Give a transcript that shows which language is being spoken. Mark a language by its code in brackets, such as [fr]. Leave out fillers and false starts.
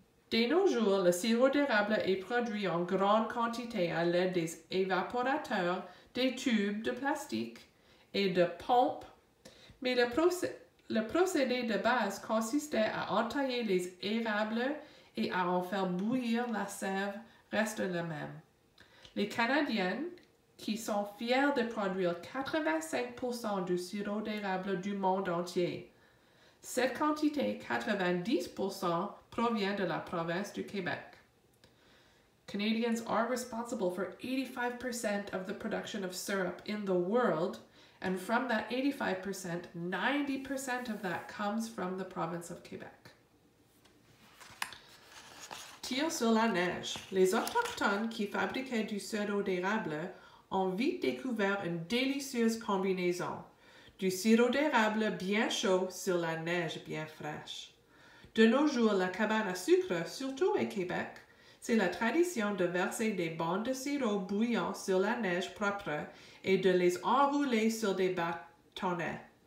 [fr] Dès nos jours, le sirop d'érable est produit en grande quantité à l'aide des évaporateurs, des tubes de plastique et de pompes, mais le procédé de base consistait à entailler les érables et à en faire bouillir la sève reste le même. Les Canadiennes, qui sont fiers de produire 85% du sirop d'érable du monde entier. Cette quantité, 90%, provient de la province du Québec. [en] Canadians are responsible for 85% of the production of syrup in the world, and from that 85%, 90% of that comes from the province of Québec. [fr] Tire sur la neige. Les Autochtones qui fabriquaient du sirop d'érable ont vite découvert une délicieuse combinaison. Du sirop d'érable bien chaud sur la neige bien fraîche. De nos jours, la cabane à sucre, surtout au Québec, c'est la tradition de verser des bandes de sirop bouillant sur la neige propre et de les enrouler sur des bâtonnets.